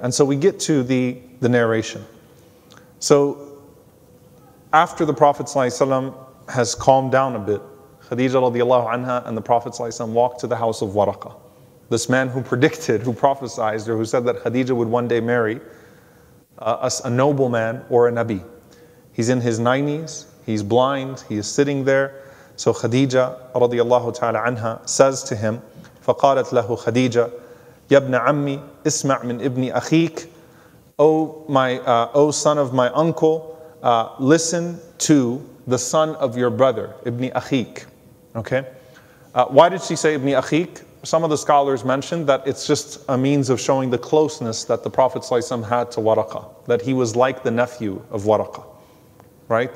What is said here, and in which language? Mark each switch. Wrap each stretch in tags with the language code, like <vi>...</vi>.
<en>And so we get to the narration. So after the Prophet ﷺ has calmed down a bit, Khadija radiallahu anha and the Prophet ﷺ walk to the house of Waraqa, this man who predicted, who prophesied, or who said that Khadija would one day marry a noble man or a Nabi. He's in his 90s, he's blind, he is sitting there. So Khadija radiallahu ta'ala anha says to him,</en> <ar>فَقَالَتْ لَهُ خَدِيجَةَ يَبْنَ عَمِّي اسْمَعْ مِنْ إِبْنِ أَخِيكَ.</ar> <en>O son of my uncle, listen to the son of your brother, Ibn Akhik. Okay? Why did she say Ibn Akhik? Some of the scholars mentioned that it's just a means of showing the closeness that the Prophet ﷺ had to Waraqa, that he was like the nephew of Waraqa. Right?</en>